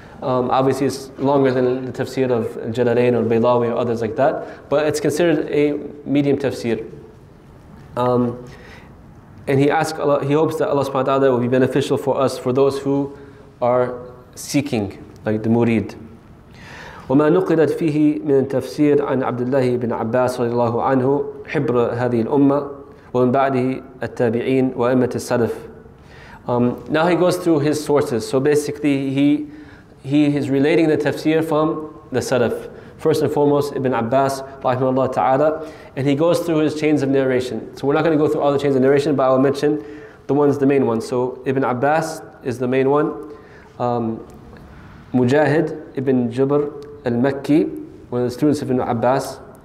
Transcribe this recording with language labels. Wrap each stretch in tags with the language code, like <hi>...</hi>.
<en>Obviously, it's longer than the Tafsir of Al-Jalalain or Al-Baylawi or others like that. But it's considered a medium Tafsir. And he hopes that Allah subhanahu wa ta'ala will be beneficial for us, for those who are seeking, like the murid.</en> <ar>وما نقلت فيه من التفسير عن عبد الله بن عباس رضي الله عنه حبر هذه الأمة ومن بعده التابعين وأمة السلف.</ar> <en>Now he goes through his sources. So basically he is relating the tafsir from the Salaf. First and foremost, Ibn Abbas, rahimahullah ta'ala, and he goes through his chains of narration. So we're not going to go through all the chains of narration, but I will mention the ones, the main ones. So Ibn Abbas is the main one. Mujahid Ibn Jabr al-Makki, one of the students of Ibn Abbas.</en>